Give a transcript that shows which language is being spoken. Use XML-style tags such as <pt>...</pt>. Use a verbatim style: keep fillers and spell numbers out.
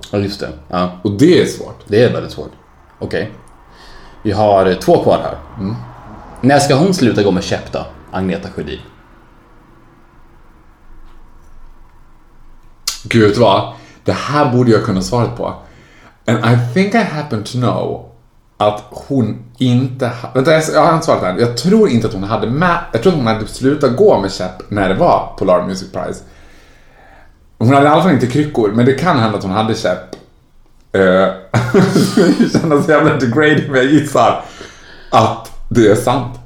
<sv>Ja, just det. Ja. Och det är svårt. Det är väldigt svårt. Okej. Okay. Vi har två kvar här. Mm. När ska hon sluta gå med käpp då? Agneta Sjödin. Gud, vad? Det här borde jag kunna svara på.</sv> <en>And I think I happen to know</en> <sv>att hon inte... Ha- Vänta, jag har inte svarat här. Jag tror inte att hon hade med... Jag tror att hon hade slutat gå med käpp när det var Polar Music Prize. Hon hade i alla fall inte kryckor, men det kan hända att hon hade käpp. Uh, det känns jävla degrading, men jag gissar att det är sant.</sv>